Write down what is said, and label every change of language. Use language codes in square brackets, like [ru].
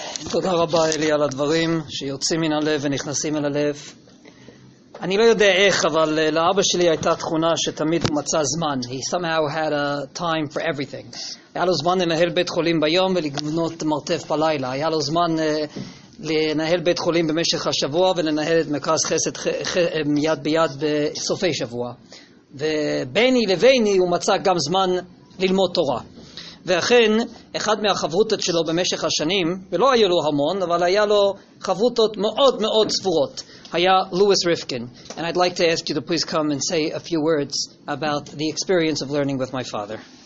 [he] תודה רבה אלי על הדברים שיוצאים מן הלב ונכנסים אל הלב. אני לא יודע איך, אבל לאבא שלי הייתה תכונה שתמיד הוא מצא זמן. [en] He somehow had a time for everything. [he] היה לו זמן לנהל בית חולים ביום ולגבנות מרתף בלילה. היה לו זמן לנהל בית חולים במשך השבוע ולנהל את מרכז חסד יד ביד בסופי שבוע. וביני לביני הוא מצא גם זמן ללמוד תורה. ואכן, אחד מהחברותות שלו במשך השנים, ולא היו לו המון, אבל היה לו חברותות מאוד מאוד צפורות, היה לואיס ריפקין. [en] And I'd like to ask you to please come and say a few words about the experience of learning with my father.